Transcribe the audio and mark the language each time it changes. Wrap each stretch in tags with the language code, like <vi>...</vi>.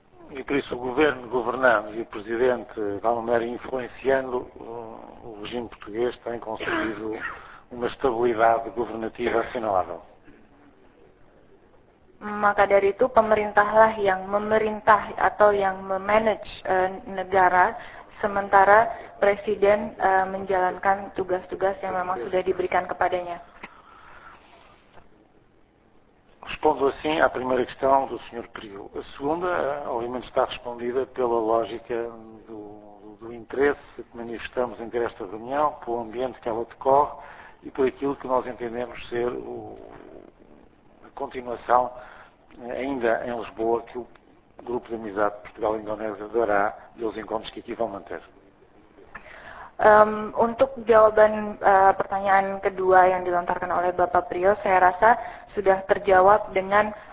<pt>E por isso o governo governando e o presidente de alguma maneira influenciando o regime português tem conseguido uma estabilidade governativa assinalável.</pt> <id>Maka dari itu pemerintahlah yang memerintah atau yang memanage negara, sementara presiden menjalankan tugas-tugas yang memang sudah diberikan kepadanya.</id> <pt>Respondo assim à primeira questão do Sr. Crio. A segunda, obviamente, está respondida pela lógica do interesse que manifestamos em ter esta reunião, pelo ambiente que ela decorre e por aquilo que nós entendemos ser a continuação, ainda em Lisboa, que o Grupo de Amizade Portugal-Indonésia dará e os encontros que aqui vão manter.</pt> <id>Untuk jawaban pertanyaan kedua yang dilontarkan oleh Bapak Prio, saya rasa sudah terjawab dengan</id>